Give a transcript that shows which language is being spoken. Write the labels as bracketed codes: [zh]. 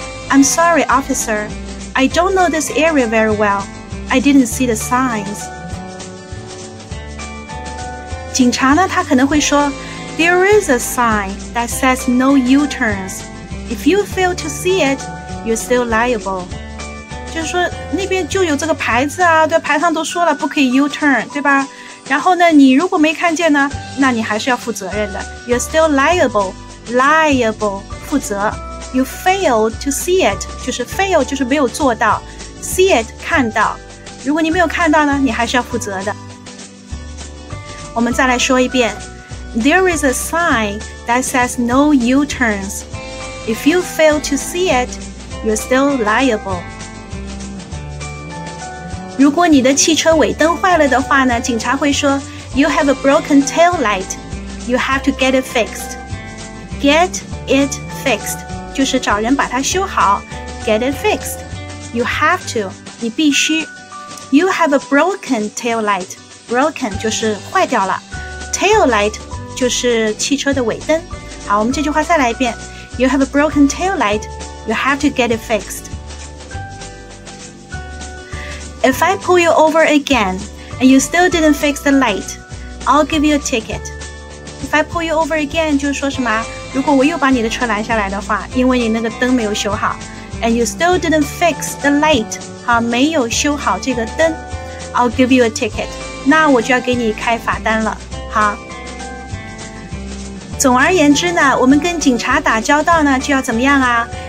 [en] I'm sorry officer, I don't know this area very well. I didn't see the signs. [zh] 警察呢，他可能会说 [en] There is a sign that says no U-turns. If you fail to see it, you're still liable. [zh] 就是说那边就有这个牌子啊，对，牌上都说了不可以 U-turn, 对吧？然后呢，你如果没看见呢，那你还是要负责任的。 [en] You're still liable, liable, [zh] 负责。 [en] You fail to see it, [zh] 就是 fail 就是没有做到。 [en] See it, [zh] 看到。如果你没有看到呢，你还是要负责的。我们再来说一遍。 [en] There is a sign that says no U-turns. If you fail to see it, you're still liable. [zh] 如果你的汽车尾灯坏了的话呢，警察会说 [en] You have a broken tail light. You have to get it fixed. Get it fixed [zh] 就是找人把它修好。 [en] Get it fixed. You have to, [zh] 你必须。 [en] You have a broken tail light. [zh] Broken 就是坏掉了。Tail light 就是汽车的尾灯。好，我们这句话再来一遍。 [en] You have a broken tail light. You have to get it fixedIf I pull you over again, and you still didn't fix the light, I'll give you a ticket. If I pull you over again, [zh] 就是说什么？如果我又把你的车拦下来的话，因为你那个灯没有修好。 [en] And you still didn't fix the light, [zh] 好，没有修好这个灯。 [en] I'll give you a ticket. [zh] 那我就要给你开罚单了，好。总而言之呢，我们跟警察打交道呢，就要怎么样啊？